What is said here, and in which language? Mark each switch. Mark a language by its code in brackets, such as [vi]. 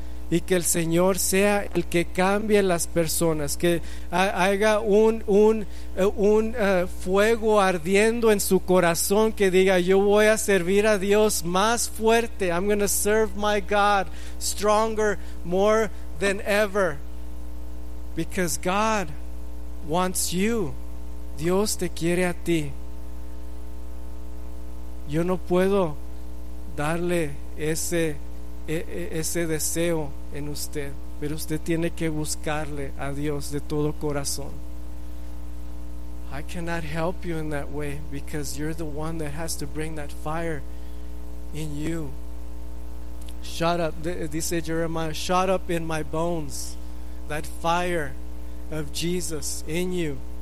[es] Y que el Señor sea el que cambie las personas, que haya un fuego ardiendo en su corazón que diga: yo voy a servir a Dios más fuerte. [en] I'm going to serve my God stronger, more than ever. Because God wants you. [es] Dios te quiere a ti. Yo no puedo darle ese deseo en usted, pero usted tiene que buscarle a Dios de todo corazón. [en] I cannot help you in that way, because you're the one that has to bring that fire in you. Shut up, dice Jeremiah, shut up in my bones, that fire of Jesus in you.